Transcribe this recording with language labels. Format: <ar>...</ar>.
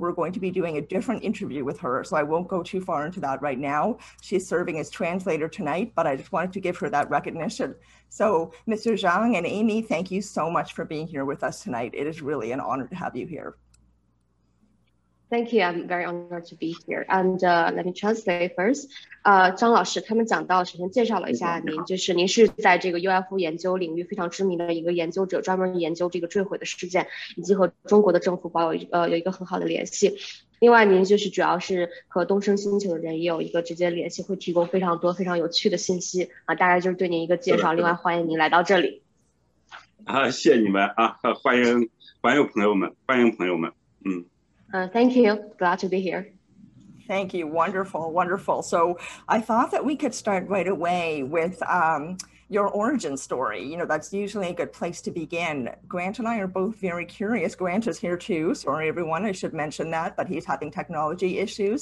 <en>We're going to be doing a different interview with her, so I won't go too far into that right now. She's serving as translator tonight, but I just wanted to give her that recognition. So Mr. Zhang and Amy, thank you so much for being here with us tonight. It is really an honor to have you here. Thank you. I'm very honored to be here. And let me translate first.</en> <zh>张老师他们讲到首先介绍了一下您，就是您是在这个 UFO 研究领域非常知名的一个研究者，专门研究这个坠毁的事件，以及和中国的政府保有一个很好的联系。另外，您就是主要是和东升星球的人也有一个直接联系，会提供非常多非常有趣的信息啊。大概就是对您一个介绍。另外，欢迎您来到这里。啊，谢谢你们啊，欢迎朋友们，欢迎朋友们。</zh> <en>Thank you. Glad to be here. Thank you. Wonderful. Wonderful. So I thought that we could start right away with your origin story. You know, that's usually a good place to begin. Grant and I are both very curious. Grant is here too. Sorry, everyone. I should mention that, but he's having technology issues.</en>